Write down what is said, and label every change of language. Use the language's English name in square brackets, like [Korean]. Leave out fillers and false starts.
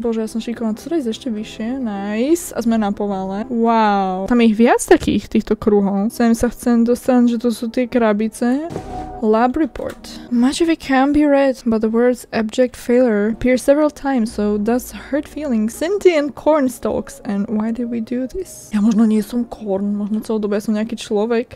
[Slovak] Bože, ja som šikovaná, to sa ešte vyššie. Nice. A sme na povale. Wow. Tam je ich viac takých, týchto kruhov. Sem sa chcem dostať, že to sú tie krabice. [English] Lab report. Much of it can be read, but the words abject failure appear several times, so that's hurt feeling. Sentient corn stalks. And why did we do this? [Slovak] Ja možno nie som corn, možno celú dobu ja som nejaký človek.